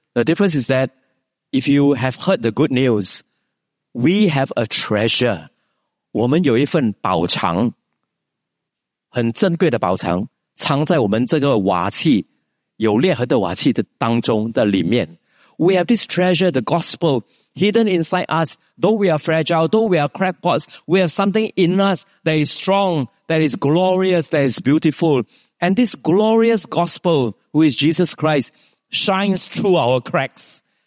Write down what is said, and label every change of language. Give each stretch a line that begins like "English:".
English: The difference is that if you have heard the good news, we have a treasure.
Chinese: 我们有一份宝藏，很珍贵的宝藏，藏在我们这个瓦器，有裂痕的瓦器的当中的里面。
English: We have this treasure, the gospel, hidden inside us. Though we are fragile, though we are crackpots, we have something in us that is strong, that is glorious, that is beautiful. And this glorious gospel, who is Jesus Christ, shines through our cracks.